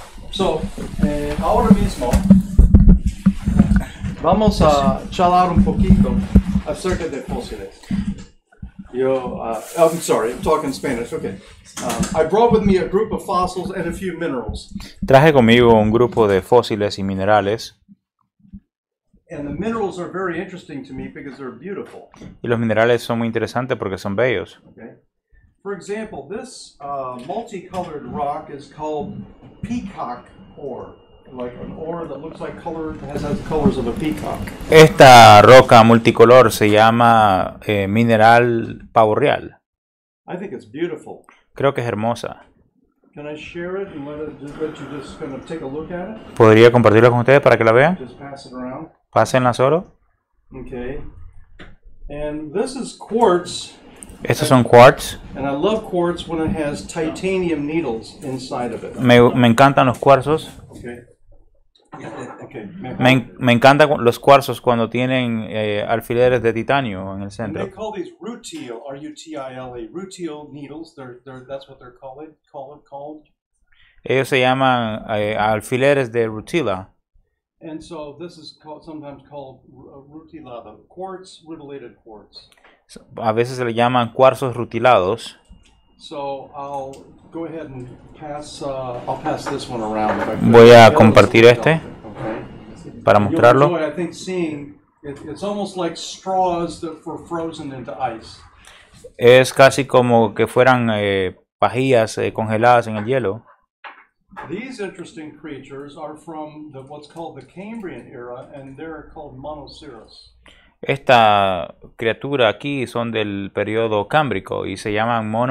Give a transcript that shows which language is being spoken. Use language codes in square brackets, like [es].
[es] So, ahora mismo vamos a charlar un poquito acerca de fósiles. [en] Yo, I'm sorry, I'm talking Spanish. Okay. I brought with me a group of fossils and a few minerals. [es] Traje conmigo un grupo de fósiles y minerales. [en] And the minerals are very interesting to me because they're beautiful. [es] Y los minerales son muy interesantes porque son bellos. [en] Okay. For example, this multicolored rock is called peacock ore. Like an ore that looks like color, has colors of a peacock. [es] Esta roca multicolor se llama mineral pavo real. [en] I think it's beautiful. [es] Creo que es hermosa. [en] Can I share it and let you just kind of take a look at it? [es] ¿Podría compartirlo con ustedes para que la vean? [en] Just pass it around. [es] Pásenla solo. [en] Okay. And this is quartz. [es] Estos son quartz. [en] And I love quartz when it has titanium needles inside of it. [es] Me encantan los cuarzos. [en] Okay. Okay. [es] Me encantan los cuarzos cuando tienen alfileres de titanio en el centro. [en] And they call these rutile, R-U-T-I-L-E, rutile needles. That's what they're called. [es] Ellos se llaman alfileres de rutila. [en] And so this is called, sometimes called rutila, the quartz, rutilated quartz. [es] A veces se le llaman cuarzos rutilados. [en] So I'll go ahead and pass, I'll pass this one around. [es] Voy a compartir este para mostrarlo. [en] I think seeing it's almost like straws that were frozen into ice. [es] Es casi como que fueran pajillas congeladas en el hielo. [en] These interesting creatures are from the, what's called the Cambrian era, and they're called Monoceros. [es] Esta criatura aquí son del periodo cámbrico y se llaman